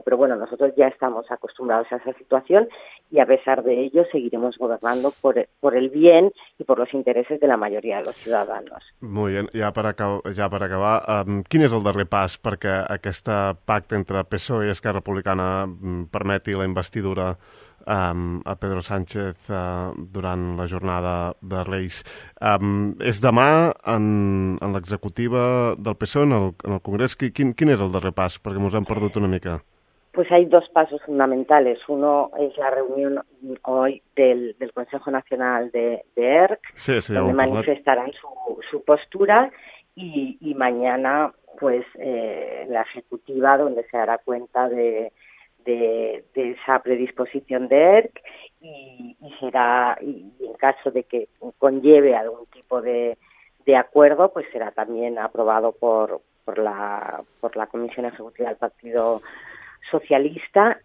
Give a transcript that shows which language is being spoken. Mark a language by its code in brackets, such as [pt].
[es] Pero bueno, nosotros ya estamos acostumbrados a esa situación y a pesar de ello seguiremos gobernando por el bien y por los intereses de la mayoría de los ciudadanos. Muy bien, [ca] ja per acabar, quin és el darrer pas perquè aquest pacte entre PSOE i Esquerra Republicana permeti la investidura a Pedro Sánchez durant la jornada de Reis. És demà en l'executiva del PSOE, en el Congrés. Quin és el darrer pas? Perquè ens hem perdut una mica. [es] Pues hay dos pasos fundamentales. Uno es la reunión hoy del Consejo Nacional de ERC, sí, donde manifestarán su postura, y mañana pues la ejecutiva, donde se dará cuenta de esa predisposición de ERC, y será, y en caso de que conlleve algún tipo de acuerdo, pues será también aprobado por la Comisión Ejecutiva del Partido Socialista.